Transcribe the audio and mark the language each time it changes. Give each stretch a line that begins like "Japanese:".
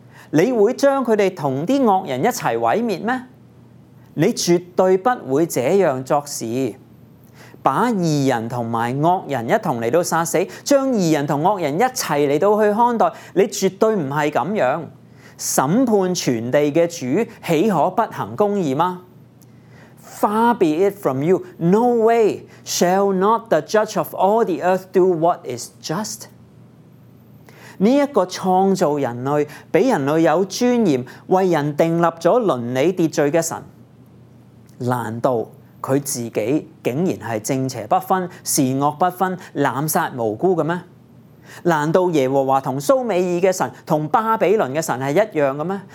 Chinese: 你會將他們和惡人一起毀滅嗎？你絕對不會這樣作事，把義人和惡人一同來到殺死，將義人和惡人一起來到去看待，你絕對不是這樣。審判全地的主豈可不行公義嗎？
English: Far be it from you, no way, shall not the judge of all the earth do what is just?
Chinese: 這個創造人類，給人類有尊嚴，為人定立了倫理秩序的神，難道他自己竟然是正邪不分、善惡不分、濫殺無辜的嗎？難道耶和華和蘇美爾的神、和巴比倫的神是一樣的嗎？